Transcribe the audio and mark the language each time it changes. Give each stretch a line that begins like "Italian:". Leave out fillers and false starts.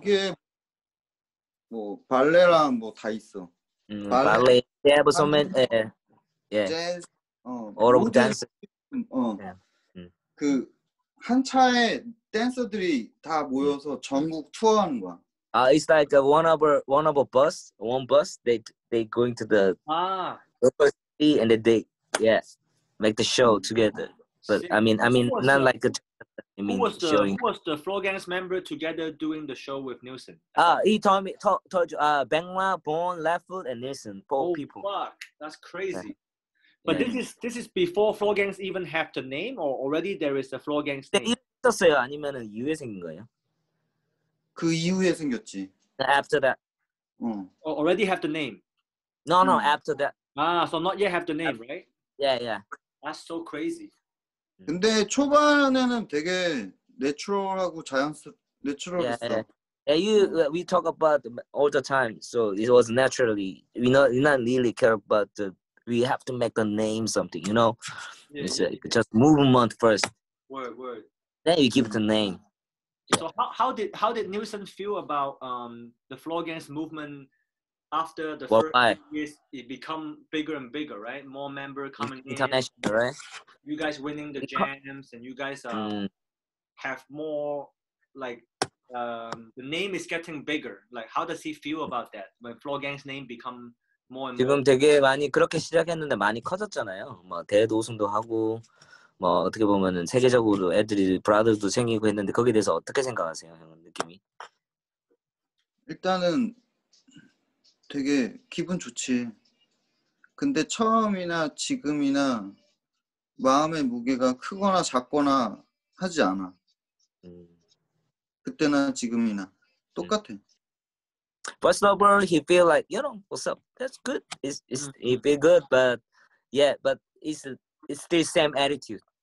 Korean: 여기에 뭐 발레랑 뭐 다 있어.
English: Ballet. They have so many. Yeah. Jazz. All of dance.
Korean: 그 한 차에 댄서들이 다 모여서 전국 투어하는 거야.
English: It's like a one bus. They going to the local city and they make the show together. But see, I mean not like a. Who was the Floor Gangs member together doing the show with Nielsen? He told me told you Bengla, Bon, Leftfoot, and Nielsen, four people. Fuck, that's crazy. Yeah. But this is before Floor Gangs even have the name, or already there is a Floor Gangs name.
Korean: 있었어요 아니면은 이후에 생긴 거예요? 그 이후에 생겼지.
English: After that. Already have the name. No, after that. Ah, so not yet have the name, right? Yeah. That's so crazy.
Korean: 근데 초반에는 되게 내추럴하고 자연스럽게 했어.
English: Yeah, we talk about all the time. So it was naturally. We not really care about the, we have to make a name something, you know? Yeah. Just movement first. Word. Then you give the name. So how did Nielsen feel about the Floor Gangs movement after the well, first why? Years, it become bigger and bigger, right? More member coming international, in. International, right? You guys winning the jams, and you guys have more, like, the name is getting bigger. Like, how does he feel about that? When Floor Gang's name become more and more?
Korean: 지금 되게 많이 그렇게 시작했는데 많이 커졌잖아요. 뭐 대회도 우승도 하고. 뭐 어떻게 보면은 세계적으로 애들이 브라더도 생기고 했는데 거기에 대해서 어떻게 생각하세요, 형 느낌이? 일단은 되게 기분 좋지. 근데 처음이나 지금이나 마음의 무게가 크거나 작거나 하지 않아. 그때나 지금이나 똑같아.
English: First of all, he feel like you know what's up. That's good. It's it be good, but yeah, but it's the same attitude.